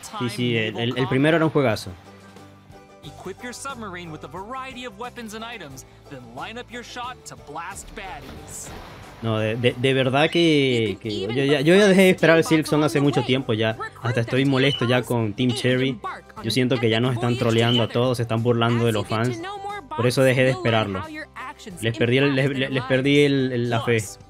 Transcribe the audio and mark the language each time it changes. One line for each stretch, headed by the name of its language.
Spanish: Sí, el primero era un juegazo.
English: Equip your submarine with a variety of weapons and items, then line up your shot to blast baddies.
Spanish: No, de verdad que yo ya dejé de esperar el Silk Song hace mucho tiempo ya. Hasta estoy molesto ya con Team Cherry. Yo siento que ya nos están troleando a todos, se están burlando de los fans. Por eso dejé de esperarlo. Les perdí la fe.